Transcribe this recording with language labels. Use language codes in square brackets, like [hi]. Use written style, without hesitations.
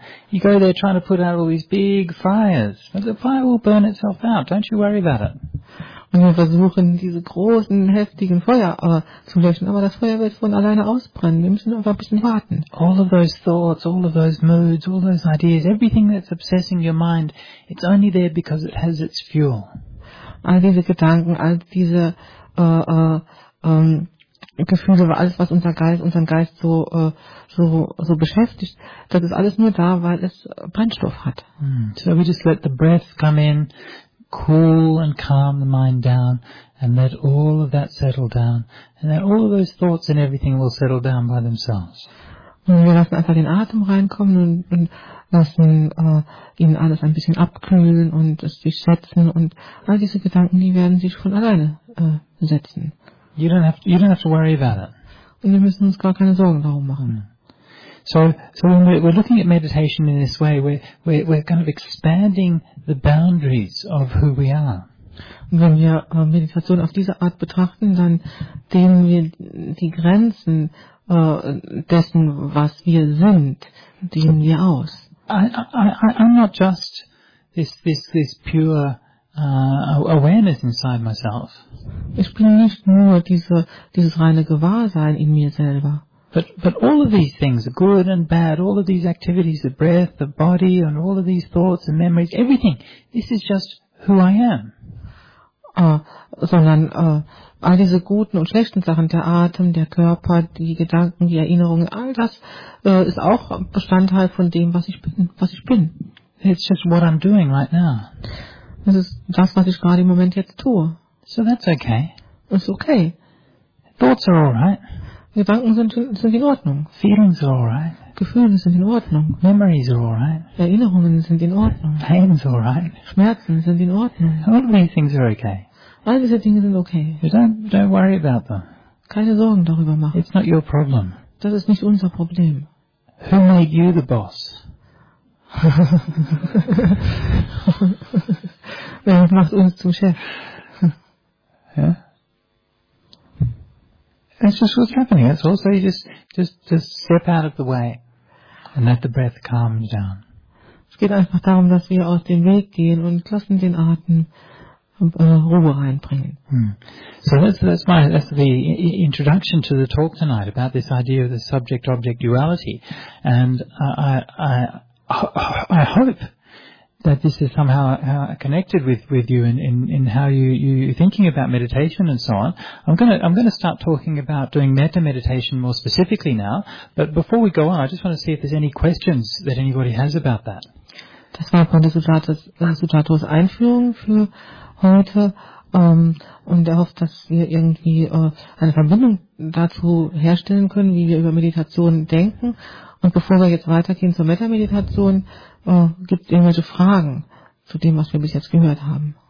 [en] You go there trying to put out all these big fires, but the fire will burn itself out. Don't you worry about it. [de] Und wir versuchen diese großen heftigen Feuer zu löschen, aber das Feuer wird von alleine ausbrennen. Wir müssen einfach ein bisschen warten. [en] All of those thoughts, all of those moods, all those ideas, everything that's obsessing your mind, it's only there because it has its fuel. [de] All diese Gedanken, all diese Gefühle, alles, was unseren Geist so beschäftigt, das ist alles nur da, weil es Brennstoff hat. [en] So we just let the breath come in, cool and calm the mind down, and let all of that settle down, and then all of those thoughts and everything will settle down by themselves. [de] Und wir lassen einfach den Atem reinkommen und lassen ihn alles ein bisschen abkühlen und es sich setzen und all diese Gedanken, die werden sich von alleine setzen. [en] You don't have to worry about it. [de] Und wir müssen uns gar keine Sorgen darum machen. [en] So when we're looking at meditation in this way, we're kind of expanding the boundaries of who we are. [de] Und wenn wir Meditation auf diese Art betrachten, dann dehnen wir die Grenzen dessen, was wir sind, dehnen wir aus. [en] I'm not just this pure awareness inside myself. [de] Ich bin nicht nur dieses reine Gewahrsein in mir selber. [en] But all of these things, the good and bad, all of these activities, the breath, the body, and all of these thoughts and memories, everything. This is just who I am. [de] Sondern all diese guten und schlechten Sachen, der Atem, der Körper, die Gedanken, die Erinnerungen, all das ist auch Bestandteil von dem, was ich bin. [en] It's just what I'm doing right now. [de] Das ist das, was ich gerade im Moment jetzt tue. [en] So that's okay. It's okay. Thoughts are all right. [de] Gedanken sind in Ordnung. [en] Feelings are alright. [de] Gefühle sind in Ordnung. [en] Memories are alright. [de] Erinnerungen sind in Ordnung. [en] Pain's all right. [de] Schmerzen sind in Ordnung. [en] All of these things are okay. [de] All diese Dinge sind okay. [en] Don't worry about them. [de] Keine Sorgen darüber machen. [en] It's not your problem. [de] Das ist nicht unser Problem. [en] Who made you the boss? [de] Wer macht uns zum Chef? [en] That's just what's happening. It's also you just step out of the way and let the breath calm you down. [de] Es geht einfach darum, dass wir aus dem Weg gehen und lassen den Atem Ruhe reinbringen. [en] So that's the introduction to the talk tonight about this idea of the subject-object duality. And I hope that this is somehow connected with you in how you're thinking about meditation and so on. I'm gonna start talking about doing metta meditation more specifically now. But before we go on, I just want to see if there's any questions that anybody has about that. [de] Das war von der Sujatos Einführung für heute. Und er hofft, dass wir irgendwie eine Verbindung dazu herstellen können, wie wir über Meditation denken. Und bevor wir jetzt weitergehen zur Metta-Meditation, gibt es irgendwelche Fragen zu dem, was wir bis jetzt gehört haben?